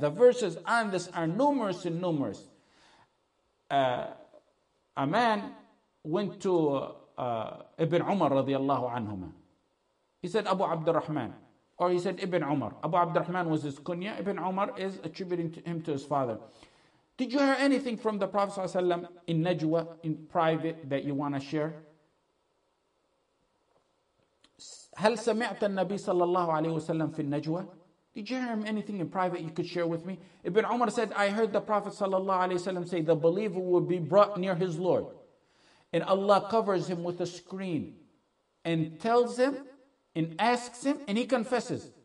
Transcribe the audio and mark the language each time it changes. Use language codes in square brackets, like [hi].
[en] The verses on this are numerous and numerous. A man went to Ibn Umar radiallahu anhuma. He said, Abu Abdurrahman. Or he said, Ibn Umar. Abu Abdurrahman was his kunya. Ibn Umar is attributing him to his father. Did you hear anything from the Prophet ﷺ in Najwa, in private, that you want to share? [ar] هل سمعت النبي صلى الله عليه وسلم في النجوة? [en] Did you hear him anything in private you could share with me? Ibn Umar said, I heard the Prophet [ar] صلى الله عليه وسلم [en] say, the believer will be brought near his Lord. And Allah covers him with a screen and tells him and asks him and he confesses.